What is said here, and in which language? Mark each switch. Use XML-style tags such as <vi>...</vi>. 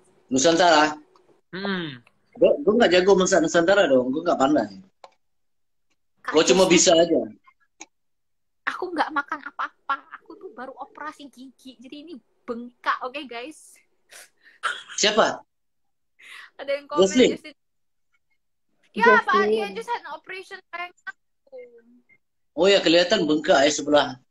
<id>Nusantara? Gue gak jago masak Nusantara dong, gue gak pandai. Gue cuma bisa aja. Aku gak makan apa-apa, aku tuh baru operasi gigi, jadi ini bengkak, oke</id> <en>okay, guys?</en> <id>Siapa? Ada yang komen. Wesley?</id> <en>Ya, Pak Adi, I just had an operation</en> <id>bengkak. Oh ya, kelihatan bengkak ya sebelah.</id>